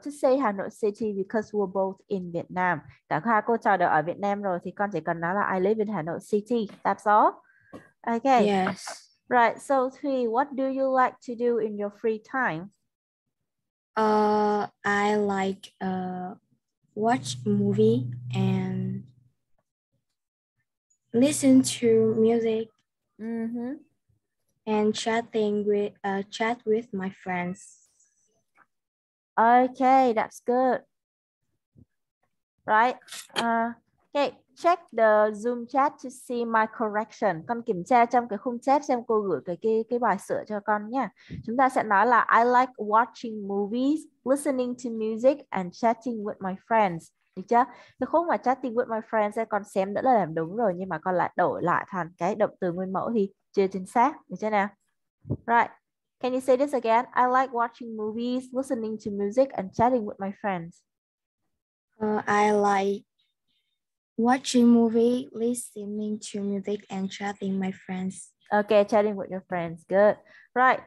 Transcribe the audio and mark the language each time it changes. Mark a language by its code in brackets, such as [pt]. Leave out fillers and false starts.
[en] Just say Hà Nội City because we're both in Việt Nam. [vi] Cả hai cô trò đều ở Việt Nam rồi thì con chỉ cần nói là [en] I live in Hà Nội City. That's all. Okay. Yes. Right, so three, what do you like to do in your free time? I like watch movie and listen to music and chat with my friends. Okay, that's good. Right. Okay, check the Zoom chat to see my correction. [vi] Con kiểm tra trong cái khung chat xem cô gửi cái bài sửa cho con nha. Chúng ta sẽ nói là [en] I like watching movies, listening to music and chatting with my friends. [vi] Được chưa? Cái khúc mà [en] chatting with my friends [vi] sẽ con xem đã là làm đúng rồi nhưng mà con lại đổi lại thành cái động từ nguyên mẫu thì chưa chính xác. Được chưa nào? [en] Right. Can you say this again? I like watching movies, listening to music and chatting with my friends. I like watching movie, listening to music, and chatting my friends. Okay, chatting with your friends. Good. Right.